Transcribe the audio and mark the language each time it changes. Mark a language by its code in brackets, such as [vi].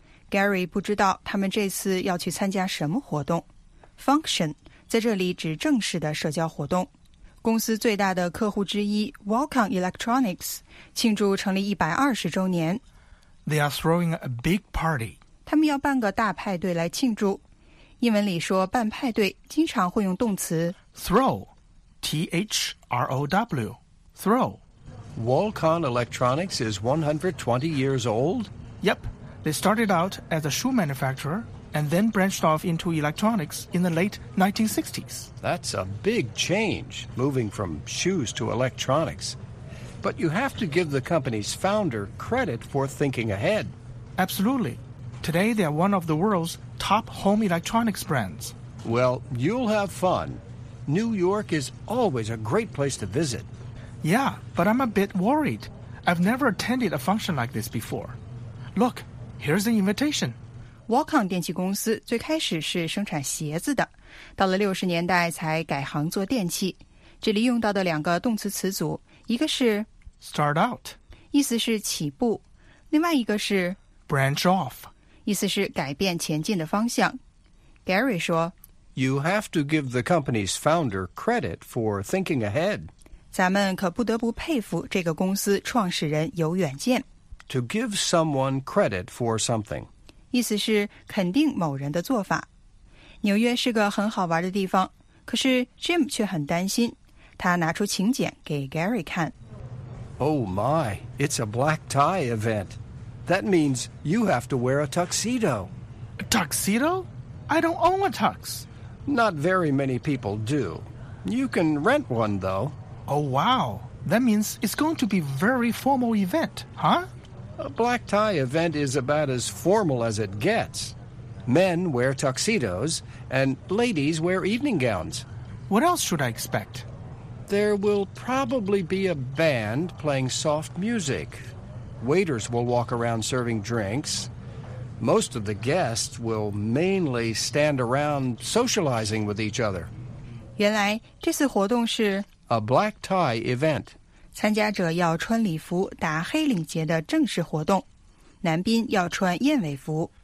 [zh] Gary 不知道他们这次要去参加什么活动。 Function 在这里指正式的社交活动。公司最大的客户之一 Walcon Electronics 庆祝成立120周年。 [en] They are throwing a big party. [zh] 他们要办个大派对来庆祝。英文里说办派对经常会用动词 [en] throw, T-H-R-O-W, throw. Walcon Electronics is 120 years old? Yep. They started out as a shoe manufacturer and then branched off into electronics in the late 1960s. That's a big change, moving from shoes to electronics. But you have to give the company's founder credit for thinking ahead. Absolutely. Today, they are one of the world's top home electronics brands. Well, you'll have fun. New York is always a great place to visit. Yeah, but I'm a bit worried. I've never attended a function like this before. Look, here's an invitation. [zh] Walcon 电器公司最开始是生产鞋子的，到了60年代才改行做电器。这里用到的两个动词词组，一个是 [en] start out， [zh] 意思是起步，另外一个是 [en] branch off， [zh] 意思是改变前进的方向。 Gary 说， [en] You have to give the company's founder credit for thinking ahead. [zh] 咱们可不得不佩服这个公司创始人有远见。 [en] To give someone credit for something， [zh] 意思是肯定某人的做法。纽约是个很好玩的地方，可是 Jim 却很担心。他拿出请柬给 Gary 看。 [en] Oh my, it's a black tie event. That means you have to wear a tuxedo. A tuxedo? I don't own a tux. Not very many people do. You can rent one, though. Oh wow, that means it's going to be a very formal event, huh? A black tie event is about as formal as it gets. Men wear tuxedos, and ladies wear evening gowns. What else should I expect? There will probably be a band playing soft music. Waiters will walk around serving drinks. Most of the guests will mainly stand around socializing with each other. [zh] 原来这次活动是 [en] a black tie event. [zh] 参加者要穿礼服打黑领结的正式活动，男宾要穿燕尾服。